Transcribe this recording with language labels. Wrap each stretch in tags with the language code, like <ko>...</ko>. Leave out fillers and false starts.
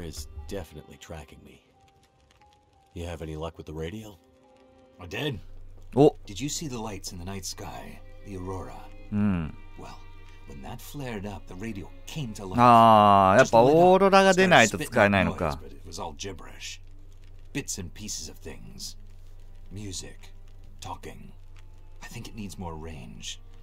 <en>Bear is definitely tracking me. You have any luck with the radio? I did. お。 Did you see the lights in the night sky? The aurora. Well, when that flared up, the radio came to life.</en> <ja>ああ、やっぱオーロラが出ないと使えないのか。</ja> <en>It was all gibberish. Bits and pieces of things. Music. Talking. I think it needs more range.</en>